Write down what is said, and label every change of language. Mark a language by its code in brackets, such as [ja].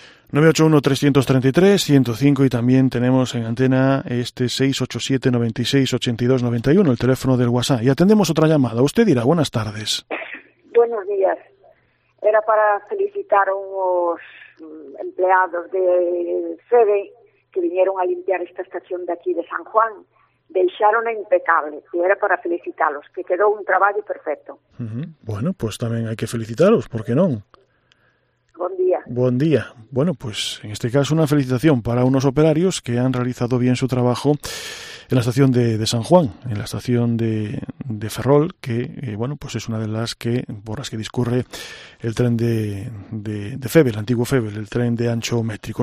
[es] 981-333-105 y también tenemos en antena este 687-96-8291, el teléfono del WhatsApp. Y atendemos otra llamada. Usted dirá, buenas tardes. Buenos días. Era para felicitar a unos empleados de FEDE que vinieron a limpiar esta estación de aquí de San Juan [gl] deixaron impecable, e era para felicitarlos, que quedou un traballo perfecto. Uh-huh. Bueno, pues tamén hai que felicitaros, por que non? Bon día. Bon día. [es] Bueno, pues en este caso una felicitación para unos operarios que han realizado bien su trabajo en la estación de San Juan, en la estación de Ferrol, que bueno, pues es una de las que por las que discurre el tren de Feve, el antiguo Feve, el tren de ancho métrico.